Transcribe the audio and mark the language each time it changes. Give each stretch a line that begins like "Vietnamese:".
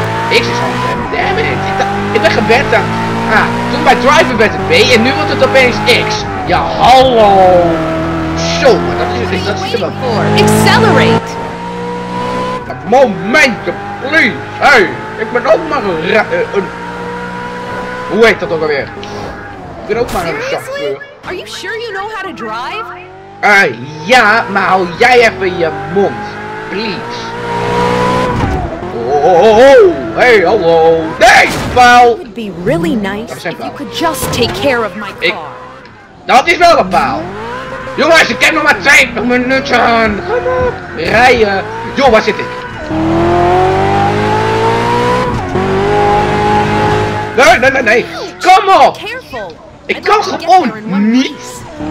Dutch: Niks is handig, damn it. Ik ben gewend aan. Ah, toen bij driver werd het B en nu wordt het opeens X. Ja, hallo. Zo, maar dat is er wel.
English: Accelerate.
Dutch: Een momentje, please. Hey, ik ben ook maar een... Hoe heet dat ook alweer? Ik ben ook maar een chauffeur.
English: Are you sure you know how to drive?
Dutch: Ja, maar hou jij even je mond. Please. Oh, hey, hallo. Hey, paal.
English: It would be really nice if you could just take care of my car.
Dutch: Dat is wel een paal. Jongens, ik heb nog maar 20 minuten. Ga maar rijden. Joh, waar zit ik? Nee. Kom op. Ik kan gewoon niet.